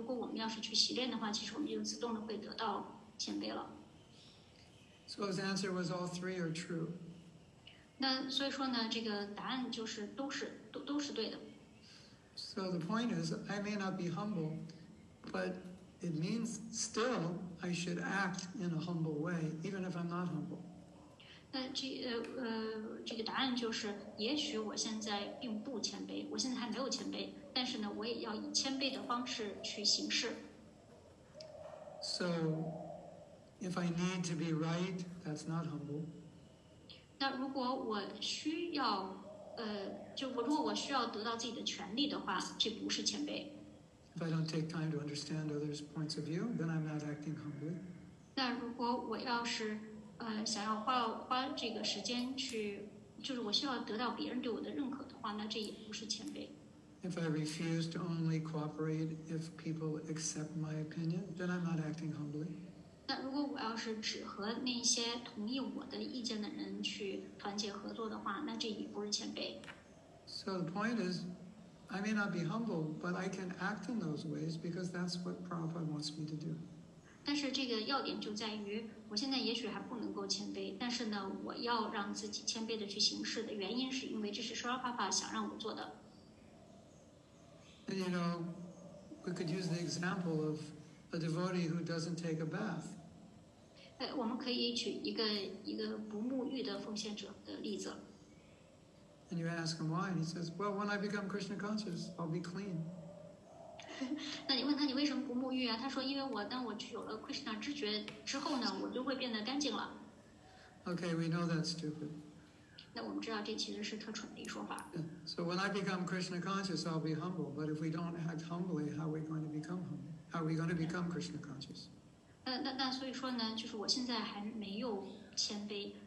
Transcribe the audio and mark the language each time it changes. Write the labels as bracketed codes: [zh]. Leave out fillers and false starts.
[zh] 如果我们要是去习练的话，其实我们就自动的会得到谦卑了。 [en] So his answer was all three are true. [zh] 那所以说呢，这个答案就是都是对的。 [en] So the point is, I may not be humble, but it means still I should act in a humble way, even if I'm not humble. [zh] 那这个答案就是，也许我现在并不谦卑，我现在还没有谦卑，但是呢，我也要以谦卑的方式去行事。 [en] So if I need to be right, that's not humble. [zh] 那如果我需要，如果我需要得到自己的权利的话，这不是谦卑。 [en] If I don't take time to understand others' points of view, then I'm not acting humbly. [zh] 那如果我要是想要花这个时间去，就是我需要得到别人对我的认可的话，那这也不是谦卑。 [en] If I refuse to only cooperate if people accept my opinion, then I'm not acting humbly. [zh] 那如果我要是只和那些同意我的意见的人去团结合作的话，那这也不是谦卑。 [en] So the point is, I may not be humble, but I can act in those ways because that's what Prabhupada wants me to do. [zh] 但是这个要点就在于，我现在也许还不能够谦卑，但是呢，我要让自己谦卑的去行事的原因，是因为这是释迦牟尼佛想让我做的。 [en] And you know, we could use the example of a devotee who doesn't take a bath. [zh] 我们可以举一个不沐浴的奉献者的例子。 [en] And you ask him why, and he says, "Well, when I become Krishna conscious, I'll be clean." [zh] 那你问他你为什么不沐浴啊？他说，因为我当我有了 Krishna 知觉之后呢，我就会变得干净了。 [en] Okay, we know that's stupid. [zh] 那我们知道这其实是特蠢的一说法。 [en] So when I become Krishna conscious, I'll be humble. But if we don't act humbly, how are we going to become humble? How are we going to become Krishna conscious? [zh] 那所以说呢，就是我现在还没有谦卑。